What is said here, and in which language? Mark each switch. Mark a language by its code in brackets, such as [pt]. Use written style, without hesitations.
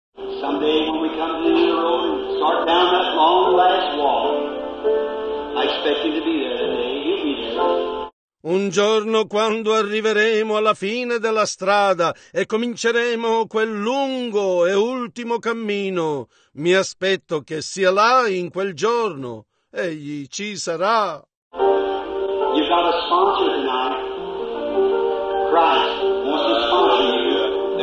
[en] Someday when we come to the end of the road and start down that long last wall, I expect you to be there today. You'll be there. [it] Un giorno, quando arriveremo alla fine della strada e cominceremo quel lungo e ultimo cammino, mi aspetto che sia là in quel giorno. Egli ci sarà. [en] You've got a sponsor tonight. Christ wants to sponsor you.